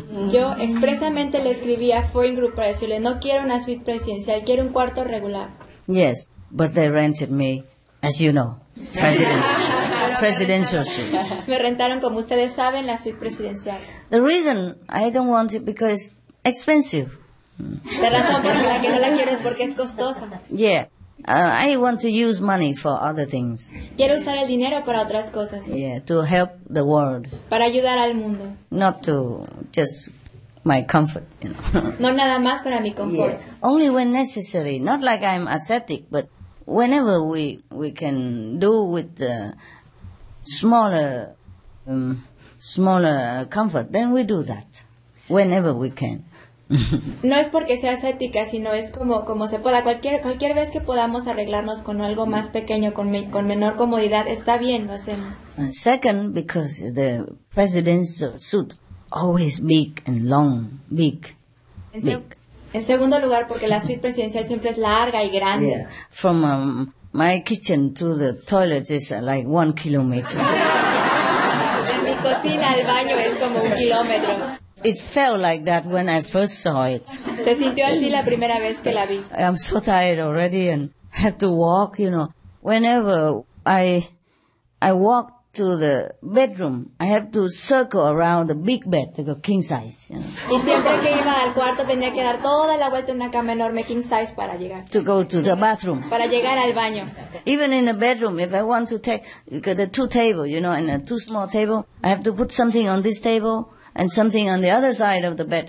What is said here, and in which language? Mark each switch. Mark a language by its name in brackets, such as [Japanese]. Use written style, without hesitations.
[Spanish] Yo expresamente le escribí a Foreign Group para decirle, no quiero una suite presidencial, quiero un cuarto regular. [English] Yes, but they rented me, as you know, presidential suite. [Spanish] Me rentaron, como ustedes saben, la suite presidencial. [English] The reason I don't want it because it's expensive. [Spanish] La razón por la que no la quiero es porque es costosa. [English] Yeah, I want to use money for other things. [Spanish] Quiero usar el dinero para otras cosas. [English] Yeah, to help the world. [Spanish] Para ayudar al mundo. [English] Not to just my comfort, you know. [Spanish] No nada más para mi confort. [English] Yeah. Only when necessary. Not like I'm ascetic, but whenever we can do with the smaller comfort, then we do that. Whenever we can. [Spanish] No es porque sea ascética, sino es como se pueda. Cualquier vez que podamos arreglarnos con algo más pequeño, con menor comodidad, está bien, lo hacemos. [English] And second, because the president's suit always big and long, big. [Spanish] En segundo lugar, porque la suite presidencial siempre es larga y grande. [English] Yeah. From my kitchen to the toilet is like 1 kilometer. [Spanish] En mi cocina al baño es como 1 kilómetro. [English] It felt like that when I first saw it. [Spanish] Se sintió así la primera vez que la vi. [English] I'm so tired already and have to walk, you know. Whenever I walk to the bedroom, I have to circle around the big bed, the king size, you know. [Spanish] Y siempre que iba al cuarto tenía que dar toda la vuelta en una cama enorme king size para llegar. [English] To go to the bathroom. [Spanish] Para llegar al baño. [English] Even in the bedroom, if I want to take, because the two tables, you know, and a too small table, I have to put something on this table and something on the other side of the bed.